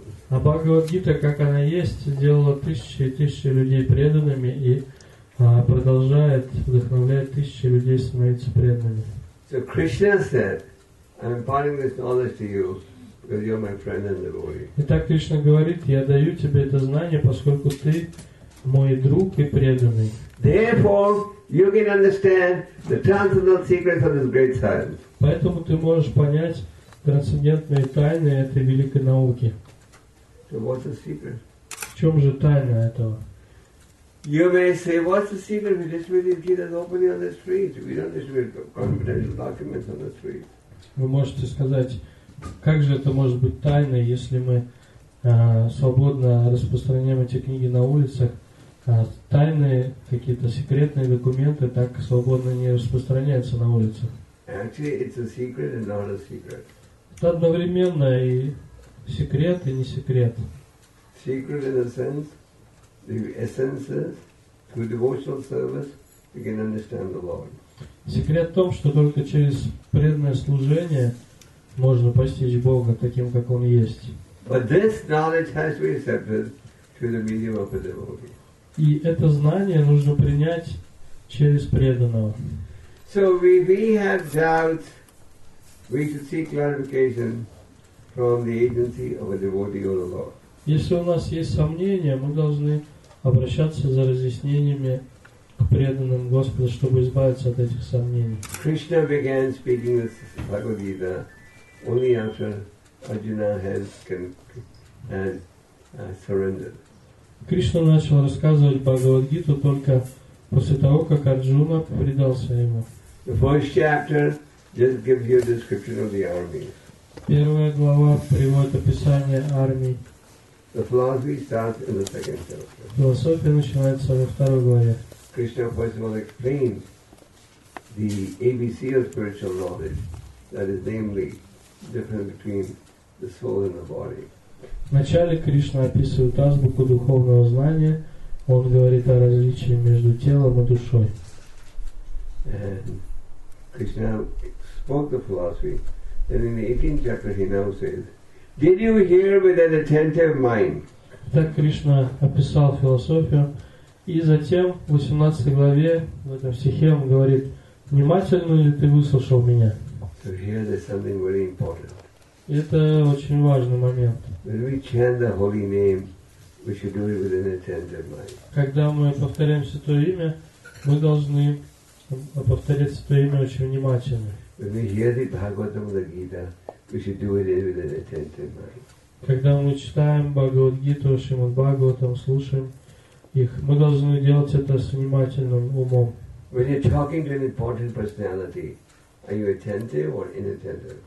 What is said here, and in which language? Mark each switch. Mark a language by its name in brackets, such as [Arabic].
[Russian] А Бхагавад-гита, как она есть, сделала тысячи и тысячи людей преданными и продолжает вдохновлять тысячи людей становиться преданными. [English] So Krishna said, I'm imparting this knowledge to you because you're my friend and devotee. [Russian] Итак, Кришна говорит, я даю тебе это знание, поскольку ты мой друг и преданный. [English] Therefore, you can understand the transcendental secrets of this great science. [Russian] Поэтому ты можешь понять трансцендентные тайны этой великой науки. [English] So what's the secret? [Russian] В чем же тайна этого? [English] You may say, what's the secret? We distribute these Gitas openly on the streets. We don't distribute confidential documents on the streets. [Russian] Вы можете сказать, как же это может быть тайной, если мы свободно распространяем эти книги на улицах, тайные какие-то секретные документы так свободно не распространяются на улицах. [English] Actually, it's a secret and not a secret. [Russian] Это одновременно и секрет, и не секрет. [English] Secret in a sense. The essences through devotional service we can understand the Lord. [Russian] Секрет в том, что только через преданное служение можно постичь Бога таким, как Он есть. [English] But this knowledge has to be accepted through the medium of a devotee. [Russian] И это знание нужно принять через преданного. [English] So if we have doubts, we should seek clarification from the agency of a devotee or the Lord. [Russian] Если у нас есть сомнения, мы должны обращаться за разъяснениями к преданным Господу, чтобы избавиться от этих сомнений. [English] Krishna began speaking this Bhagavad Gita only after Arjuna has surrendered. [Russian] Кришна начал рассказывать Бхагавад Гиту только после того, как Арджуна предался ему. [English] The first chapter just gives you a description of the army. [Russian] Первая глава приводит описание армии. [English] The philosophy starts in the second chapter. [Russian] Философия начинается во второй главе. [English] Krishna first of all explains the ABC of spiritual knowledge, that is namely the difference between the soul and the body. [Russian] Вначале Кришна описывает азбуку духовного знания. Он говорит о различии между телом и душой. [English] And Krishna spoke the philosophy, and in the 18th chapter he now says, did you hear with an attentive mind? [Russian] Так Кришна описал философию, и затем в 18 главе в этом стихе он говорит: внимательно ли ты выслушал меня? [English] So here there's something very important. [Russian] Это очень важный момент. [English] When we chant the holy name, we should do it with an attentive mind. [Russian] Когда мы повторяем святое имя, мы должны повторять святое имя очень внимательно. [English] When we hear the Bhagavatam or the Gita, we should do it with an attentive mind. [Russian] Когда мы читаем Бхагавад Гиту, Шримад Бхагаватам, слушаем их, мы должны делать это с внимательным умом. [English] When you're talking to an important personality, are you attentive or inattentive?